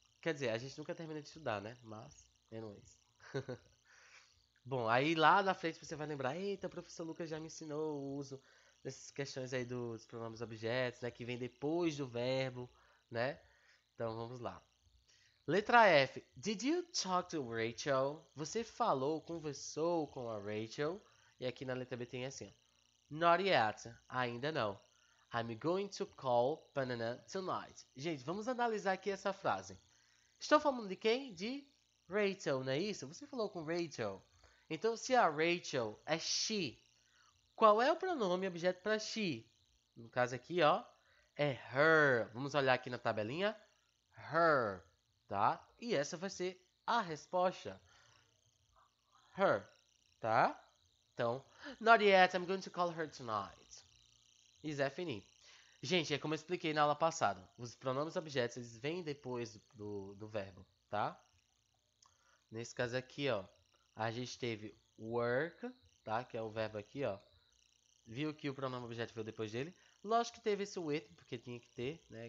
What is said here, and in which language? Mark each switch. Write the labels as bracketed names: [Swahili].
[Portuguese] Quer dizer, a gente nunca termina de estudar, né? Mas, anyways. Bom, aí lá na frente você vai lembrar: eita, o professor Lucas já me ensinou o uso dessas questões aí dos pronomes objetos, né? Que vem depois do verbo, né? Então vamos lá. Letra F. [English] Did you talk to Rachel? [Portuguese] Você falou, conversou com a Rachel? E aqui na letra B tem assim, ó. [English] Not yet. [Portuguese] Ainda não. [English] I'm going to call Panana tonight. [Portuguese] Gente, vamos analisar aqui essa frase. Estou falando de quem? De Rachel, não é isso? Você falou com Rachel. Então, se a Rachel é she, qual é o pronome objeto para she? No caso aqui, ó, é her. Vamos olhar aqui na tabelinha. Her, tá? E essa vai ser a resposta. Her, tá? [English] Então, not yet, I'm going to call her tonight. [Portuguese] Isso é fini. Gente, é como eu expliquei na aula passada. Os pronomes objetos, eles vêm depois do verbo, tá? Nesse caso aqui, ó, a gente teve work, tá? Que é o verbo aqui, ó. Viu que o pronome objeto veio depois dele? Lógico que teve esse with, porque tinha que ter, né?